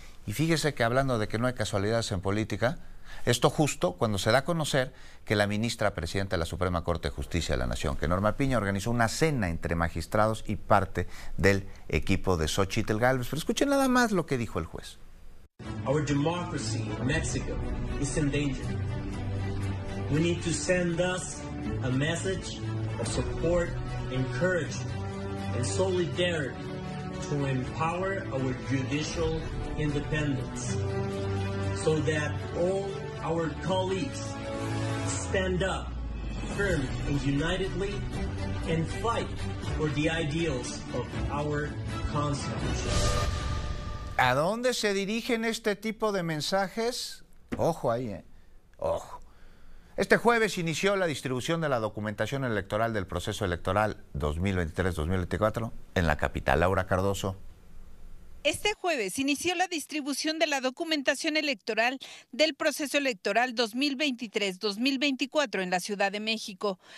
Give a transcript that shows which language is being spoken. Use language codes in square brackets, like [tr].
[es] Y fíjese que hablando de que no hay casualidades en política, esto justo cuando se da a conocer que la ministra presidenta de la Suprema Corte de Justicia de la Nación, que Norma Piña, organizó una cena entre magistrados y parte del equipo de Xóchitl Gálvez. Pero escuchen nada más lo que dijo el juez. [en] Our democracy in Mexico is in danger. We need to send us a message of support, encouragement, and solidarity to empower our judicial independence so that all our colleagues stand up firm and unitedly and fight for the ideals of our Constitution. [es] ¿A dónde se dirigen este tipo de mensajes? Ojo ahí, ojo. Este jueves inició la distribución de la documentación electoral del proceso electoral 2023-2024 en la capital. Laura Cardoso. Este jueves inició la distribución de la documentación electoral del proceso electoral 2023-2024 en la Ciudad de México.